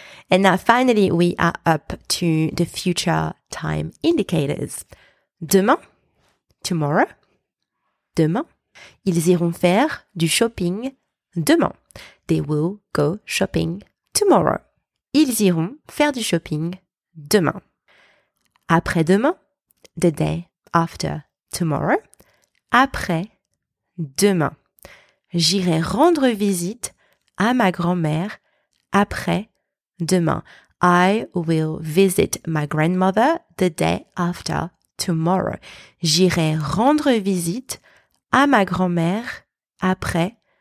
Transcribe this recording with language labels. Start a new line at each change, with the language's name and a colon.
English: And now finally we are up to the future time indicators.
French: Demain, tomorrow, demain, ils iront faire du shopping demain.
English: They will go shopping tomorrow.
French: Ils iront faire du shopping demain. Après-demain,
English: the day after tomorrow,
French: après-demain. J'irai rendre visite à ma grand-mère après-demain.
English: I will visit my grandmother the day after tomorrow.
French: J'irai rendre visite à ma grand-mère après.